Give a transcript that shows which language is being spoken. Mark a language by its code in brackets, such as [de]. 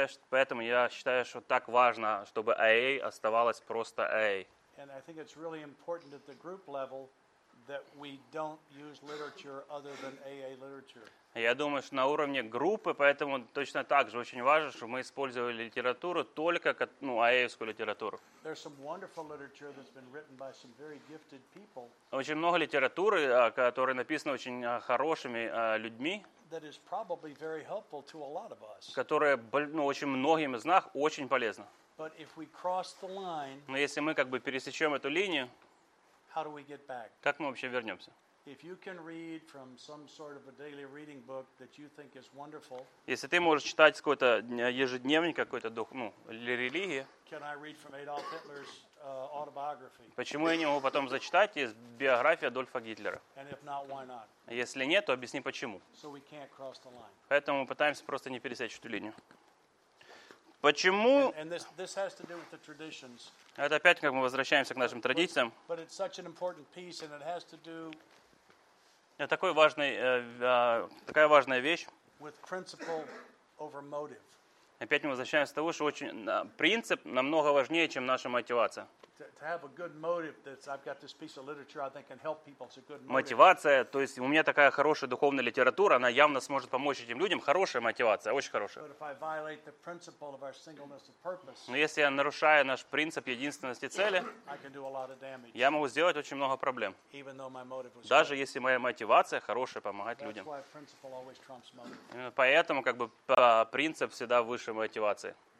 [ru] Поэтому я считаю, что так важно, чтобы AA оставалось просто AA. [en] And I think it's really important at the group level that we don't use literature other than AA literature. [ru] Я думаю, что на уровне группы, поэтому точно так же очень важно, чтобы мы использовали литературу только, ну, АА-евскую литературу. [en] There's some wonderful literature that's been written by some very gifted people. [ru] Очень много литературы, которая написана очень хорошими людьми. [en] That is probably very helpful to a lot of us. [ru] Которая, ну, очень многим из нас очень полезна. [en] But if we cross the line, [ru] но если мы как бы пересечем эту линию, [en] how do we get back? [ru] Как мы вообще вернемся? [en] If you can read from some sort of a daily reading book that you think is wonderful, [ru] если ты можешь читать какой-то ежедневник какой-то дух, ну, или религии, [en] can I read from Adolf Hitler's autobiography? [ru] Почему я не могу потом зачитать из биографии Адольфа Гитлера? [en] And if not, why not? [ru] Если нет, то объясни почему. [en] So we can't cross the line. [ru] Поэтому мы пытаемся просто не пересечь эту линию. Почему? [en] And this has to do with the traditions. [ru] Это опять как мы возвращаемся к нашим традициям. [en] But it's such an important piece, and it has to do. [ru] Это такой важный, такая важная вещь. [en] With principle over motive. [ru] Опять мы возвращаемся к тому, что очень принцип намного важнее, чем наша мотивация. [en] to have a good motive that I've got this piece of literature I think can help people. It's a good motive. [ru] Мотивация, то есть у меня такая хорошая духовная литература, она явно сможет помочь этим людям. Хорошая мотивация, очень хорошая. [en] But if I violate the principle of our singleness of purpose. [ru] Но если я нарушаю наш принцип единственности цели, [en] I can do a lot of damage. [ru] Я могу сделать очень много проблем. [en] Even though my motive was [ru] даже [en] good. [ru] Если моя мотивация хорошая, помогать людям. [en] That's why principle always trumps motive. [ru] Именно поэтому как бы принцип всегда выше мотивации.